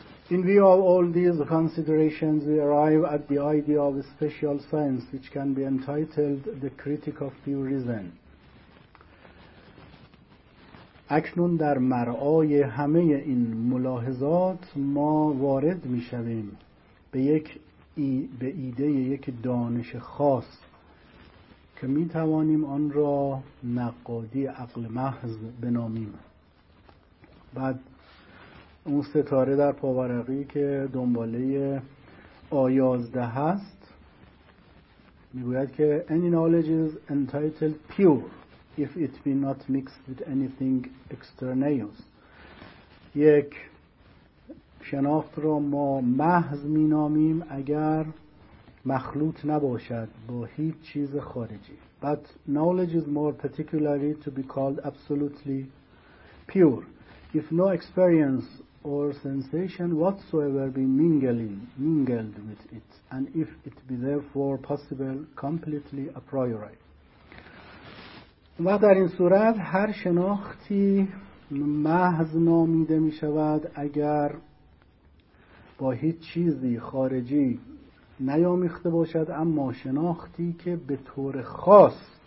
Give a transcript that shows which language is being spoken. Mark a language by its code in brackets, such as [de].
[en] In view of all these considerations, we arrive at the idea of a special science which can be entitled the critique of pure reason. [fa] اکنون در مرعای همه این ملاحظات ما وارد می شویم به ایده یک دانش خاص که می توانیم آن را نقادی عقل محض بنامیم. بعد اون ستاره در پاورقی که دنباله آیازده هست میگوید که [en] any knowledge is entitled pure if it be not mixed with anything extraneous. [fa] یک شناخت را ما محض مینامیم اگر مخلوط نباشد با هیچ چیز خارجی. [en] But knowledge is more particularly to be called absolutely pure if no experience or sensation whatsoever be mingled with it, and if it be therefore possible completely a priori. [fa] و در این صورت هر شناختی محض نامیده می شود اگر با هیچ چیزی خارجی نیامیخته باشد، اما شناختی که به طور خاص